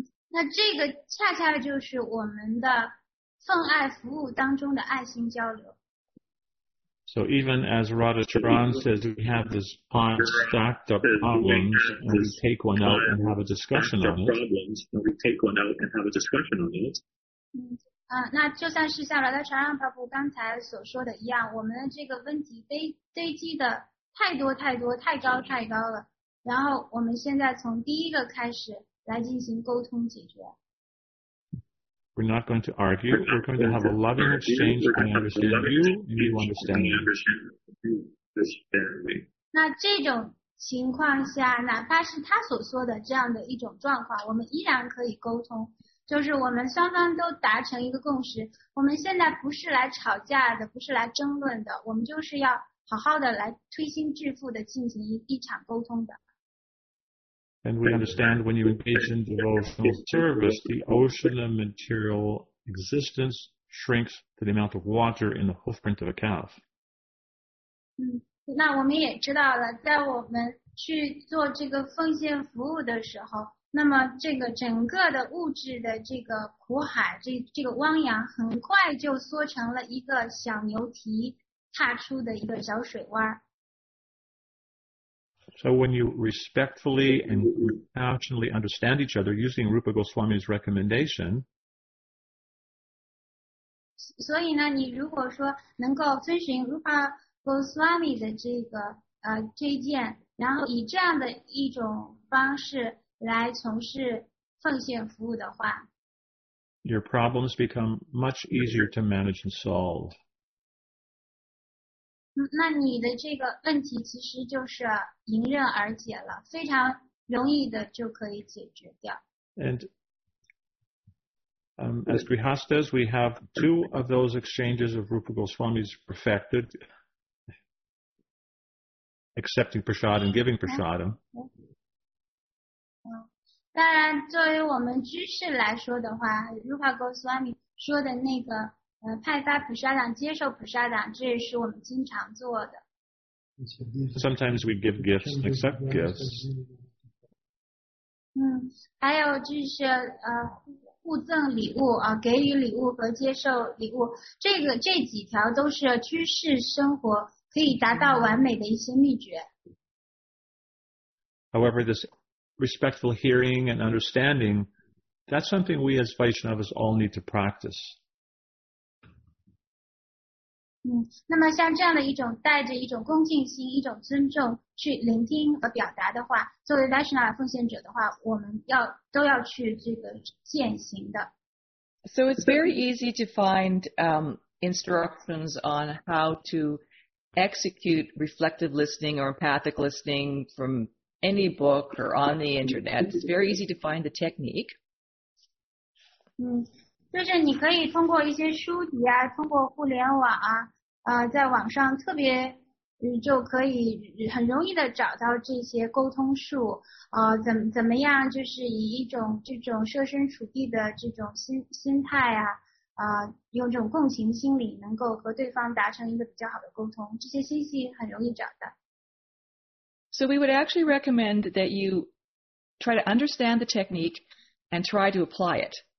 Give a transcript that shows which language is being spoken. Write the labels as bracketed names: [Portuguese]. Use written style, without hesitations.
[Chinese] 那这个恰恰就是我们的奉爱服务当中的爱心交流。 [English] So even as Radha Charan says, we have this pot stacked up problems, and we take one out and have a discussion on it. [Chinese] 那就像是像 Radha Charan Prabhu 刚才所说的一样，我们的这个问题堆积的太多太多，太高太高了。然后我们现在从第一个开始来进行沟通解决。 [English] We're not going to argue. We're going to have a loving exchange. I understand you, and you understand me. [Chinese] 那这种情况下，哪怕是他所说的这样的一种状况，我们依然可以沟通。就是我们双方都达成一个共识。我们现在不是来吵架的，不是来争论的，我们就是要好好的来推心置腹的进行一场沟通的。 [English] And we understand when you engage in devotional service, the ocean of material existence shrinks to the amount of water in the hoofprint of a calf. [Chinese] 那我们也知道了，在我们去做这个奉献服务的时候，那么这个整个的物质的这个苦海，这个汪洋很快就缩成了一个小牛蹄踏出的一个小水洼。 [English] So when you respectfully and compassionately understand each other using Rupa Goswami's recommendation, [Chinese] 所以呢，你如果说能够遵循 Rupa Goswami 的这个推荐，然后以这样的一种方式来从事奉献服务的话， [English] your problems become much easier to manage and solve. [Chinese] 那你的这个问题其实就是迎刃而解了，非常容易的就可以解决掉。 [English] And as Grihasthas, we have two of those exchanges of Rupa Goswami's perfected, accepting prasad and giving prasadam. [Chinese] 当然，作为我们居士来说的话 ，Rupa Goswami 说的那个派发普沙党、接受普沙党，这也是我们经常做的。 [English] Sometimes we give gifts and accept gifts. [Chinese] 还有就是互赠礼物啊，给予礼物和接受礼物，这几条都是居士生活可以达到完美的一些秘诀。 [English] However, this respectful hearing and understanding, that's something we as Vaishnavas all need to practice. [Chinese] 那么像这样的一种带着一种恭敬心，一种尊重去聆听和表达的话，作为 Vaishnava 奉献者的话，我们都要去这个践行的。 [English] So it's very easy to find instructions on how to execute reflective listening or empathic listening from any book or on the internet. It's very easy to find the technique. [Chinese] 就是你可以通过一些书籍啊，通过互联网啊，在网上特别就可以很容易的找到这些沟通术，怎么样就是以一种这种设身处地的这种心态啊，用这种共情心理能够和对方达成一个比较好的沟通，这些信息很容易找的。 [English] So we would actually recommend that you try to understand the technique and try to apply it.